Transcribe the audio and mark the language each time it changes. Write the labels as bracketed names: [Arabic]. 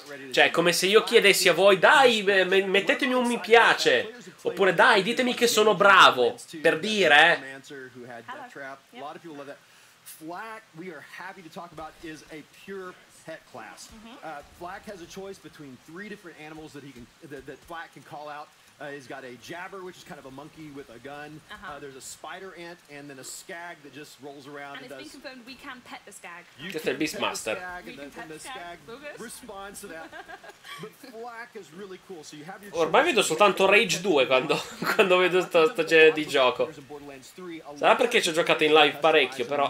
[Italian] Cioè, come se io chiedessi a voi, dai, mettetemi un mi piace. Oppure, dai, ditemi che sono bravo. Per dire, eh. [English] Flak, we are happy to talk about, is a pure pet class. Flak has a choice between three different animals that he can that Flak can call out. He's got a jabber, which is kind of a monkey with a gun. There's a spider ant, and then a skag that just rolls around. And it's been confirmed we can pet the skag. You just can Beastmaster. The skag responds to that. But Flak is really cool, so you have your... [Italian] Ormai vedo soltanto Rage 2 quando vedo sto genere di gioco. Sarà perché ci ho giocato in live parecchio, però...